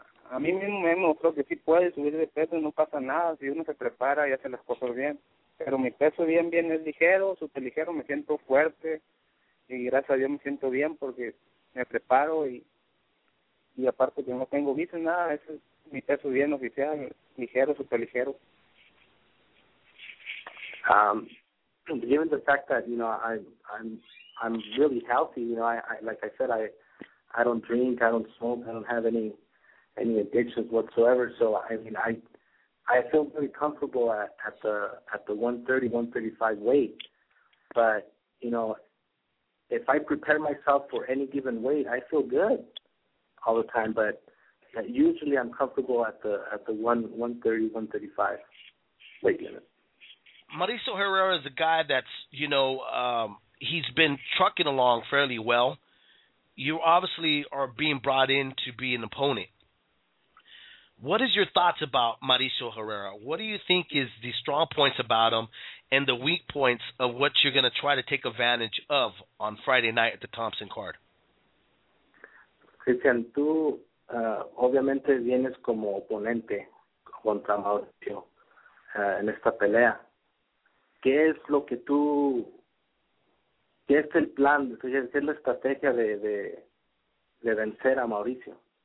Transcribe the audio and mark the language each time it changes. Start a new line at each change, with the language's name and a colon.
Spanish: a mí mismo me demostró que sí puede subir de peso, no pasa nada, si uno se prepara y hace las cosas bien, pero mi peso bien es ligero, super ligero, me siento fuerte, y gracias a Dios me siento bien porque me preparo, y aparte que no tengo visa, nada, ese es mi peso bien oficial, ligero, super ligero.
English: Given the fact that, you know, I'm really healthy, you know, I don't drink, I don't smoke, I don't have any addictions whatsoever. So I mean, I feel pretty comfortable at the 130, 135 weight. But you know, if I prepare myself for any given weight, I feel good all the time. But usually, I'm comfortable at the 130, 135 weight limit. Mauricio Herrera is a guy that's, you know, he's been trucking along fairly well. You obviously are being brought in to be an opponent. What is your thoughts about Mauricio Herrera? What do you think is the strong points about him and the weak points of what you're going to try to take advantage of on Friday night at the Thompson card?
Spanish: Cristian, tú obviamente vienes como oponente contra Mauricio en esta pelea. ¿Qué es lo que tú, qué es el plan, qué es la estrategia de vencer a Mauricio?